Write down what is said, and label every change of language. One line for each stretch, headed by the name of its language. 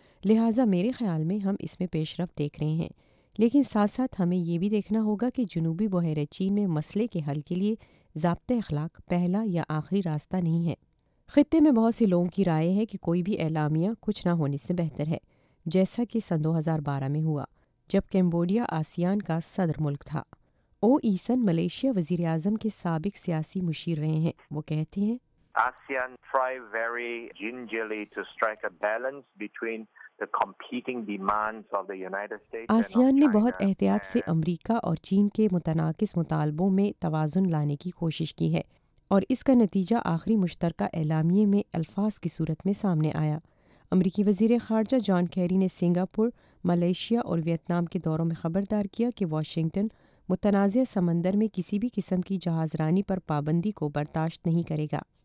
Urdu: لہٰذا میرے خیال میں ہم اس میں پیش رفت دیکھ رہے ہیں، لیکن ساتھ ساتھ ہمیں یہ بھی دیکھنا ہوگا کہ جنوبی بحیرہ چین میں مسئلے کے حل کے لیے ضابطہ اخلاق پہلا یا آخری راستہ نہیں ہے۔ خطے میں بہت سے لوگوں کی رائے ہے کہ کوئی بھی اعلامیہ کچھ نہ ہونے سے بہتر ہے، جیسا کہ 2012 میں ہوا جب کیمبوڈیا آسیان کا صدر ملک تھا۔ او ایسن ملیشیا وزیر اعظم کے سابق سیاسی مشیر رہے ہیں۔ وہ کہتے ہیں
English: ASEAN try very gingerly to strike a balance between the competing demands of the United States.
Urdu: ASEAN نے بہت احتیاط سے امریکہ اور چین کے متناقض مطالبوں میں توازن لانے کی کوشش کی ہے، اور اس کا نتیجہ آخری مشترکہ اعلامیے میں الفاظ کی صورت میں سامنے آیا۔ امریکی وزیر خارجہ جان کیری نے سنگاپور، ملیشیا اور ویتنام کے دوروں میں خبردار کیا کہ واشنگٹن متنازع سمندر میں کسی بھی قسم کی جہاز رانی پر پابندی کو برداشت نہیں کرے گا۔